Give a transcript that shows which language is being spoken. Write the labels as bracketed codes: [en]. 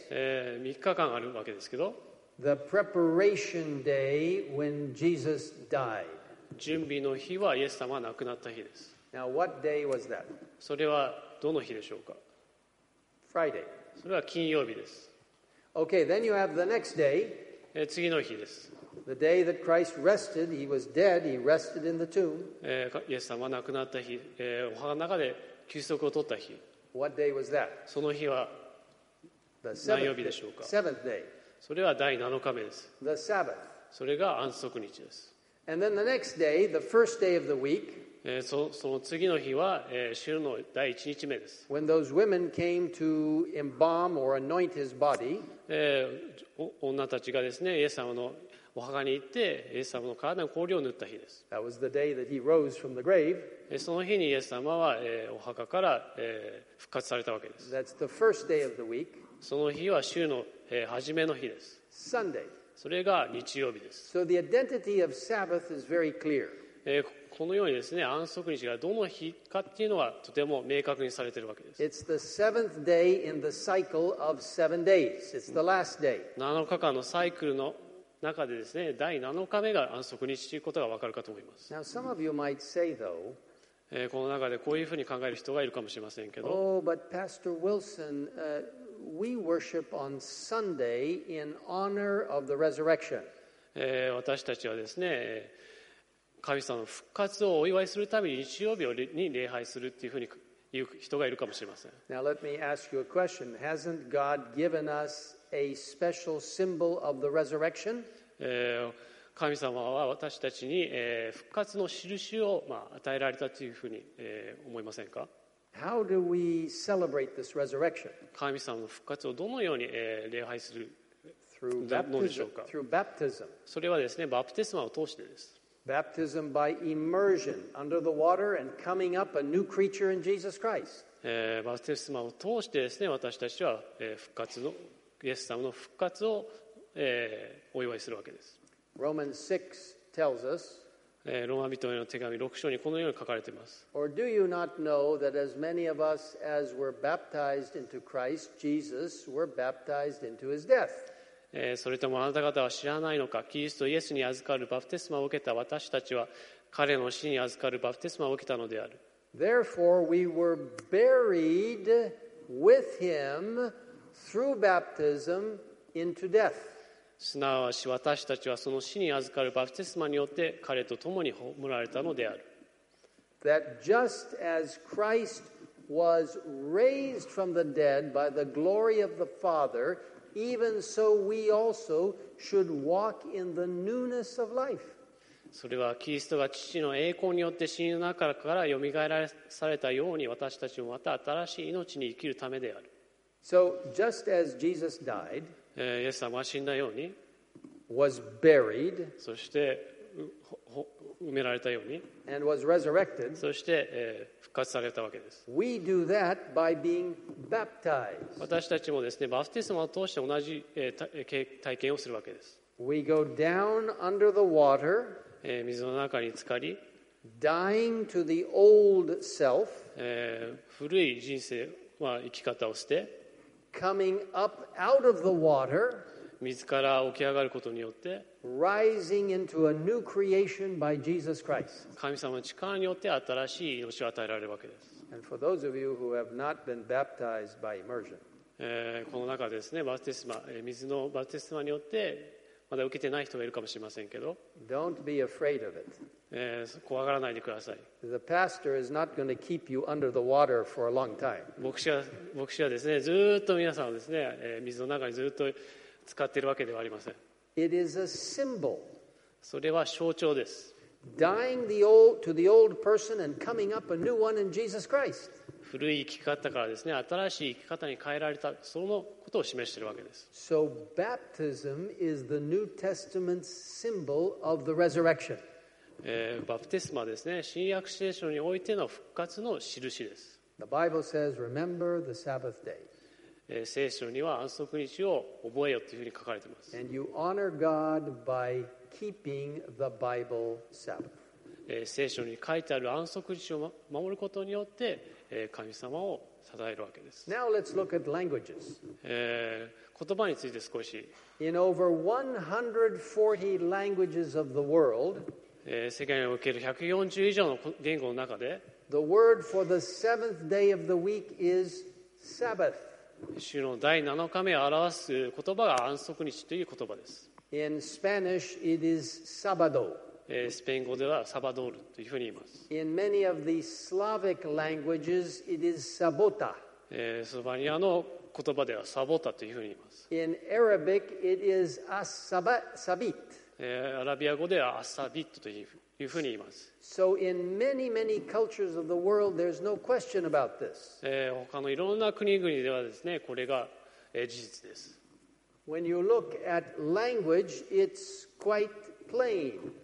[ja] 3日間あるわけですけど。 [en] The preparation day when Jesus died. [ja] 準備の日はイエス様が亡くなった日です。 [en] Now, what day was that? [ja] それはどの日でしょうか? [en] Friday. [ja] それは金曜日です。 [en] Okay, then you have the next day. [ja] 次の日です。 [en] The day that Christ rested, he was dead, he rested in the tomb. [ja] イエス様が亡くなった日、お墓の中で休息を取った日。 [en] What day was that? [ja] その日は何曜日でしょうか? [en] Seventh day. [ja] それは第7日目です。 [en] The Sabbath. [ja] それが安息日です。 [en] And then the next day, the first day of the week, [ja] その次の日は、週の第1日目です。 [en] When those women came to embalm or anoint his body, [ja] 女たちがですね、イエス様のお墓に行って、イエス様の体に香料を塗った日です。 [en] That was the day that he rose from the grave. [ja] その日にイエス様は、お墓から、復活されたわけです。 [en] That's the first day of the week. [ja] その日は週の、初めの日です。 [en] Sunday. [ja] それが日曜日です。 [en] So the identity of Sabbath is very clear. [ja] このようにですね、安息日がどの日かっていうのはとても明確にされているわけです。 [en] It's the seventh day in the cycle of seven days. It's the last day. [ja] 7日間のサイクルの中でですね、第7日目が安息日ということがわかるかと思います。 [en] Now some of you might say though, [ja] この中でこういうふうに考える人がいるかもしれませんけど。 [en] Oh, but Pastor Wilson, we worship on Sunday in honor of the resurrection. [ja] 私たちはですね、神様の復活をお祝いするために日曜日に礼拝するっていうふうに言う人がいるかもしれません。 [en] Now let me ask you a question. Hasn't God given us a special symbol of the resurrection? [ja] 神様は私たちに復活の印を与えられたというふうに思いませんか? [en] How do we celebrate this resurrection? [ja] 神様の復活をどのように礼拝するのでしょうか? [en] Through baptism. [ja] それはですね、バプテスマを通してです。 [en] Baptism by immersion under the water and coming up a new creature in Jesus Christ. [ja] バプテスマを通してですね、私たちは復活の、イエス様の復活をお祝いするわけです。 [en] Romans 6 tells us, [ja] ローマ人への手紙6章にこのように書かれています。 [en] Or do you not know that as many of us as were baptized into Christ Jesus were baptized into his death? [ja] それともあなた方は知らないのか、キリストイエスに預かるバプテスマを受けた私たちは彼の死に預かるバプテスマを受けたのである。 [en] Therefore we were buried with him through baptism into death. [ja] すなわち私たちはその死に預かるバプテスマによって彼と共に葬られたのである。 [en] That just as Christ was raised from the dead by the glory of the Father, even so we also should walk in the newness of life. [ja] それはキリストが父の栄光によって死の中からよみがえらされたように私たちもまた新しい命に生きるためである。 [en] So just as Jesus died, [ja] イエス様は死んだように、 [en] was buried, [ja] そして埋められたように、 [en] and was resurrected, [ja] そして、復活されたわけです。 [en] We do that by being baptized. [ja] 私たちもですね、バプテスマを通して同じ、体験をするわけです。 [en] We go down under the water, [ja] 水の中に浸かり、 [en] dying to the old self, [ja] 古い人生、まあ、生き方を捨て、 [en] coming up out of the water, [ja] 水から起き上がることによって、 [en] rising into a new creation by Jesus Christ. [ja] 神様の力によって新しい命を与えられるわけです。 [en] And for those of you who have not been baptized by immersion, [ja] この中ですね、バプテスマ、水のバプテスマによってまだ受けてない人がいるかもしれませんけど、 [en] don't be afraid of it. [ja] 怖がらないでください。 [en] The pastor is not going to keep you under the water for a long time. [ja] 牧師はですね、ずっと皆さんをですね、水の中にずっと使っているわけではありません。 [en] It is a symbol. [ja] それは象徴です。 [en] Dying the old, to the old person and coming up a new one in Jesus Christ. [ja] 古い生き方からですね、新しい生き方に変えられた、そのことを示しているわけです。 [en] So baptism is the New Testament symbol of the resurrection. [ja] バプテスマはですね、新約聖書においての復活の印です。 [en] The Bible says, remember the Sabbath day. [ja] 聖書には安息日を覚えよというふうに書かれています。 [en] And you honor God by keeping the Bible Sabbath. [ja] 聖書に書いてある安息日を守ることによって神様を讃えるわけです。 [en] Now let's look at languages. [ja] 言葉について少し。 [en] In over 140 languages of the world, [ja] 世界における140以上の言語の中で、 [en] the word for the seventh day of the week is Sabbath. [ja] 主の第7日目を表す言葉が安息日という言葉です。 [en] In Spanish, it is sábado. [ja] スペイン語ではサバドールというふうに言います。 [en] In many of the Slavic languages, it is sabota. [ja] スロバニアの言葉ではサボタというふうに言います。 [en] In Arabic, it is asabit. [ja] アラビア語ではアサビットというふうに言います。 [en] So in many, many cultures of the world, there's no question about this. [ja] 他のいろんな国々ではですね、これが事実です。 [en] When you look at language, it's quite plain.